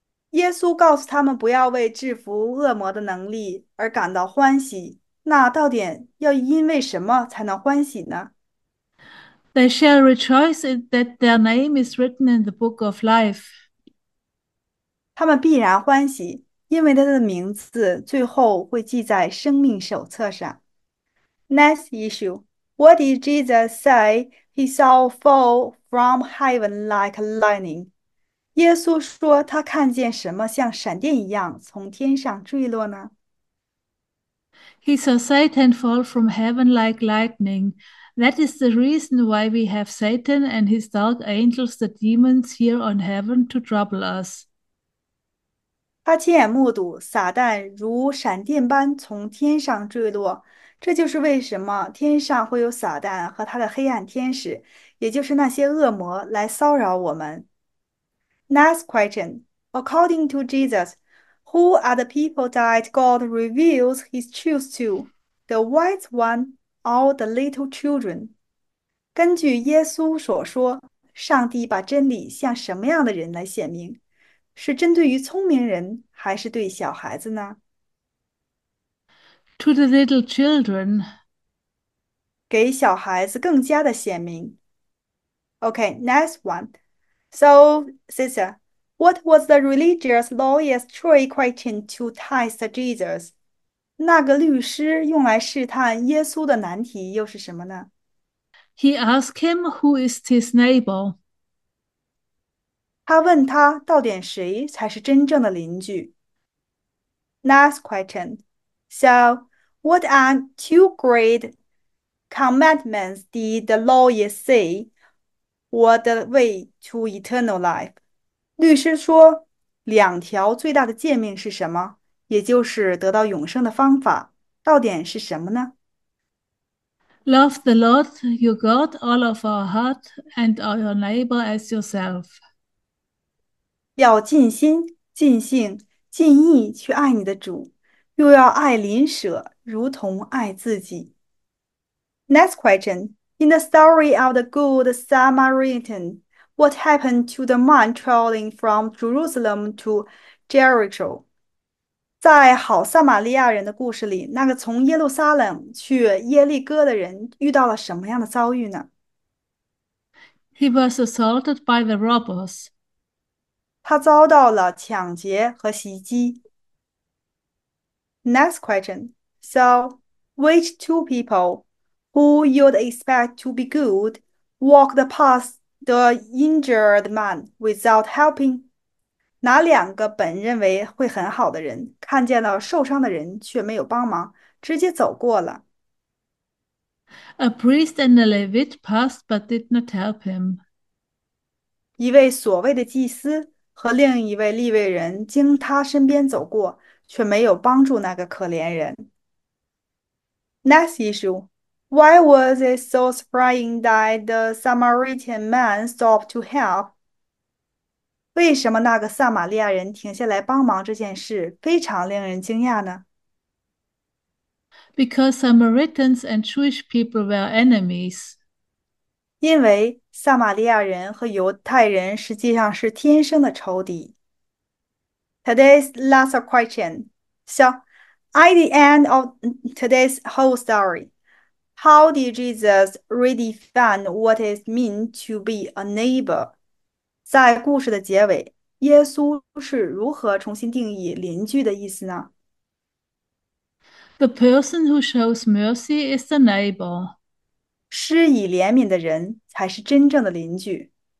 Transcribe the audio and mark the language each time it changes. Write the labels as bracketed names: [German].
[Chinese] 耶稣告诉他们不要为制服恶魔的能力而感到欢喜，那到底要因为什么才能欢喜呢？ [English] They shall rejoice that their name is written in the book of life. [Chinese] 他们必然欢喜，因为他的名字最后会记在生命手册上。 [English] Next issue. What did Jesus say he saw fall from heaven like lightning? [Chinese] 耶稣说他看见什么像闪电一样从天上坠落呢？ [English] He saw Satan fall from heaven like lightning. That is the reason why we have Satan and his dark angels, the demons, here on heaven to trouble us. [Chinese] 他亲眼目睹撒旦如闪电般从天上坠落。这就是为什么天上会有撒旦和他的黑暗天使，也就是那些恶魔来骚扰我们。 [English] Next question. According to Jesus, who are the people that God reveals his truth to? The wise one or the little children? [Chinese] 根据耶稣所说，上帝把真理向什么样的人来显明？是针对于聪明人，还是对小孩子呢？ [English] To the little children. [Chinese] 给小孩子更加的显明。 [English] Okay, next one. So, sister, what was the religious lawyer's trick question to test Jesus? [Chinese] 那个律师用来试探耶稣的难题又是什么呢？ [English] He asked him who is his neighbor. [Chinese] 他问他到底谁才是真正的邻居。 [English] Next question. So, what are two great commandments did the lawyer say were the way to eternal life? [Chinese] 律师说，两条最大的诫命是什么？也就是得到永生的方法，到底是什么呢？ [English] Love the Lord your God all of our heart and all your neighbor as yourself. [Chinese] 要尽心、尽性、尽意去爱你的主，又要爱邻舍，如同爱自己。 [English] Next question. In the story of the Good Samaritan, What happened to the man traveling from Jerusalem to Jericho？ [Chinese] 在好撒玛利亚人的故事里，那个从耶路撒冷去耶利哥的人遇到了什么样的遭遇呢？ [English] He was assaulted by the robbers. [Chinese] 他遭到了抢劫和袭击。 [English] Next question. So, which two people who you'd expect to be good walked past the injured man without helping? [Chinese] 哪两个本认为会很好的人，看见了受伤的人却没有帮忙，直接走过了？ [English] A priest and a Levite passed but did not help him. [Chinese] 一位所谓的祭司和另一位利未人经他身边走过，却没有帮助那个可怜人。 [English] Next issue. Why was it so surprising that the Samaritan man stopped to help? [Chinese] 为什么那个撒玛利亚人停下来帮忙这件事非常令人惊讶呢？ [English] Because Samaritans and Jewish people were enemies. [Chinese] 因为撒玛利亚人和犹太人实际上是天生的仇敌。 [English] Today's last question. So, at the end of today's whole story, how did Jesus redefine what it means to be a neighbor? [Chinese] 在故事的结尾，耶稣是如何重新定义邻居的意思呢？ [English] The person who shows mercy is the neighbor. [Chinese] 施以怜悯的人才是真正的邻居。